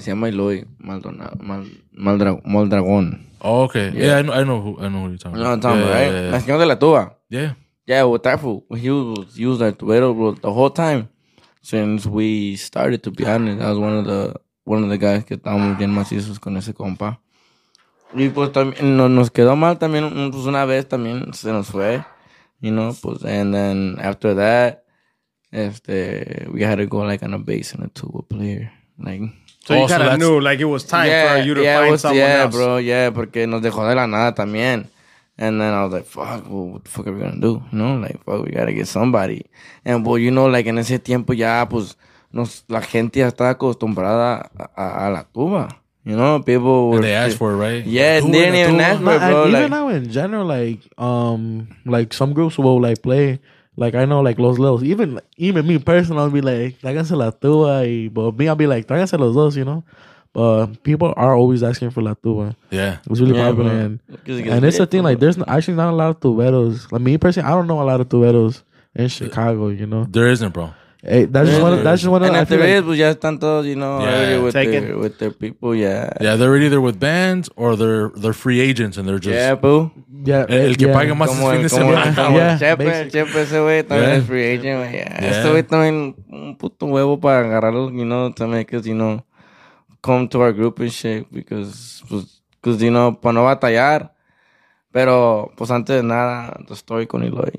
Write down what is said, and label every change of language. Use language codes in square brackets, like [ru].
[es] Se llama Eloy Maldragón. [en] Oh, okay. Yeah, I know who you're talking about. I'm talking about, right? [es] La señora de la tuba. [en] Yeah. Yeah, with that fool. He was that tubero, bro, the whole time since we started, to be honest. I was one of the guys [es] que estábamos bien macizos con ese compa. Y pues también nos quedó mal también, pues una vez también se nos fue. [en] You know, pues, and then after that, we had to go like on a bass and a tuba player, like. So you kind of knew, like it was time for you to find someone else, [es] bro. [en] Yeah, [es] porque nos dejó de la nada también. [en] And then I was like, fuck, well, what the fuck are we gonna do? You know, like, fuck, we gotta get somebody. And, well, you know, like, [es] en ese tiempo ya, pues, nos, la gente ya estaba acostumbrada a la tuba. [en] You know, people were... And they asked for it, right? Yeah, like, they didn't even ask for it, bro. Even like, now, in general, like some groups will, like, play... Like, I know, like, Los Lelos. Even me, personally, I'll be like, [es] tráiganse la tuba. [en] Y, but me, I'll be like, [es] tráiganse los dos, [en] you know? But people are always asking for la tuba. Yeah. It's really popular. Yeah, and it's the thing, like, there's actually not a lot of tuberos. Like, me, personally, I don't know a lot of tuberos in Chicago, you know? There isn't, bro. Hey, that's just one of the... And if there is, [es] ya están todos, [en] you know, with their people, yeah. Yeah, they're either with bands or they're free agents and they're just... Yeah, boo. Yeah. [es] El que paga más es fin de semana. Chepe, ese güey también es free agent, güey. [en] Yeah. [es] Este güey también un puto huevo para agarrarlo, [en] you know, to make us, you know, come to our group and shit, because, pues, cause, you know, [es] para no batallar. Pero, pues, antes de nada, estoy con Eloy.